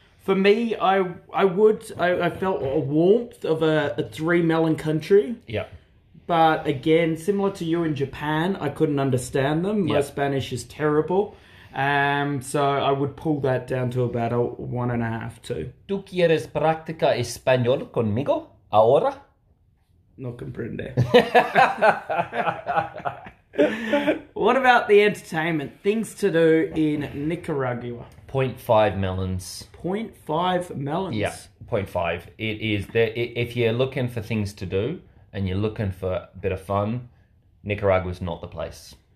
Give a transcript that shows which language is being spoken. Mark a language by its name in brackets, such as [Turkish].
[English] For me, I felt a warmth of a three melon country. Yeah. But again, similar to you in Japan, I couldn't understand them. My Spanish is terrible. So I would pull that down to about a 1.5, 2. [Spanish] ¿Tú quieres practicar español conmigo ahora? No comprende. [English] What about the entertainment? Things to do in Nicaragua? 0.5 melons. 0.5 melons? Yeah, 0.5. It is there. If you're looking for things to do and you're looking for a bit of fun, Nicaragua's not the place.